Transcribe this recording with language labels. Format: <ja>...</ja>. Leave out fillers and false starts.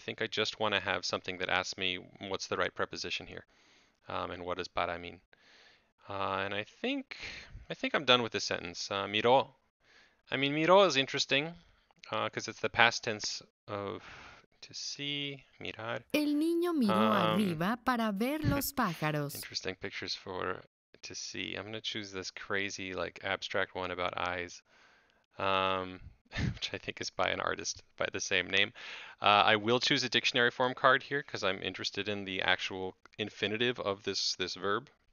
<en>I think I just want to have something that asks me what's the right preposition here, and what does para mean. And I think I'm done with this sentence. Miró. I mean, miró is interesting because it's the past tense of to see, mirar.</en> <es>El niño miró arriba para ver los pájaros.</es> <en>Interesting pictures for to see. I'm going to choose this crazy, like, abstract one about eyes. which I think is by an artist by the same name. I will choose a dictionary form card here because I'm interested in the actual infinitive of this verb.</en>